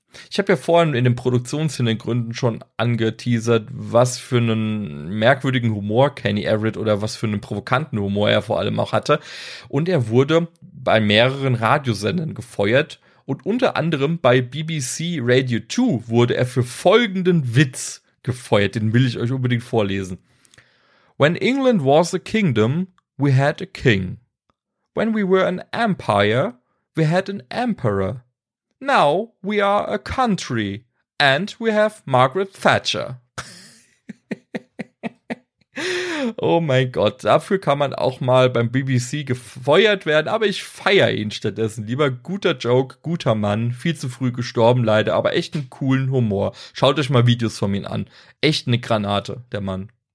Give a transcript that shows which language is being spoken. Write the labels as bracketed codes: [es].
[de] Ich habe ja vorhin in den Produktionshintergründen schon angeteasert, was für einen merkwürdigen Humor Kenny Everett oder was für einen provokanten Humor er vor allem auch hatte. Und er wurde bei mehreren Radiosendern gefeuert. Und unter anderem bei BBC Radio 2 wurde er für folgenden Witz gefeuert, den will ich euch unbedingt vorlesen. [en] When England was a kingdom, we had a king. When we were an empire, we had an emperor. Now we are a country and we have Margaret Thatcher. [de] Oh mein Gott, dafür kann man auch mal beim BBC gefeuert werden, aber ich feiere ihn stattdessen lieber. Guter Joke, guter Mann, viel zu früh gestorben leider, aber echt einen coolen Humor. Schaut euch mal Videos von ihm an. Echt eine Granate, der Mann.